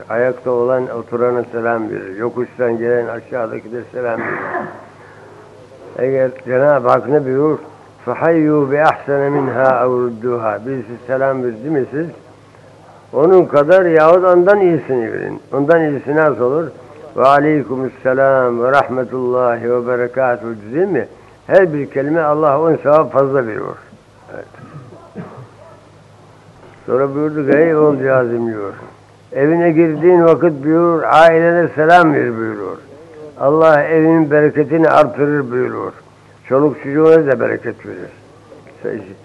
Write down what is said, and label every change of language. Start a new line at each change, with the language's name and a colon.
Turkish: Ayakta olan oturana selam verir. Yokuştan gelen aşağıdaki de selam verir. Eğer Cenab-ı Hak ne buyurur?
Arabic: فَحَيُّوا بِأَحْسَنَ مِنْهَا اَوْرُدُّهَا
Turkish: Birisi selam verdi mi siz? Onun kadar yahut ondan iyisini verin. Ondan iyisi nasıl olur?
Arabic: وَعَلَيْكُمُ السَّلَامُ وَرَحْمَتُ اللّٰهِ وَبَرَكَاتُ
Turkish: Değil mi? Her bir kelime Allah on sevap fazla veriyor. Evet. Sonra buyurdu ki, ey oğulcağızım diyor. Evine girdiğin vakit buyurur, ailene selam ver buyurur. Allah evin bereketini artırır buyurur. Çoluk çocuğuna da bereket verir.